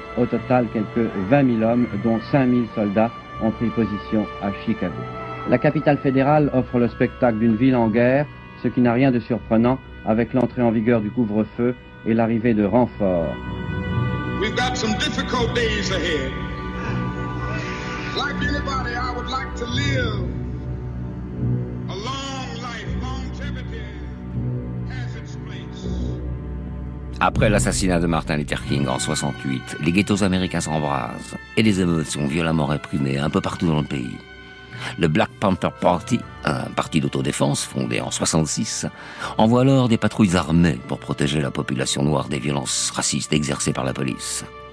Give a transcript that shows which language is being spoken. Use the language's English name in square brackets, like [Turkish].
[French] Au total, quelques 20 000 hommes, dont 5 000 soldats, ont pris position à Chicago. La capitale fédérale offre le spectacle d'une ville en guerre, ce qui n'a rien de surprenant avec l'entrée en vigueur du couvre-feu et l'arrivée de renforts. [English] We've got some difficult days ahead. Like anybody, I would like to live a long life. Longevity has its place. [French] Après l'assassinat de Martin Luther King en 68, les ghettos américains s'embrasent et les émeutes sont violemment réprimées un peu partout dans le pays. Le Black Panther Party, un parti d'autodéfense fondé en 66, envoie alors des patrouilles armées pour protéger la population noire des violences racistes exercées par la police.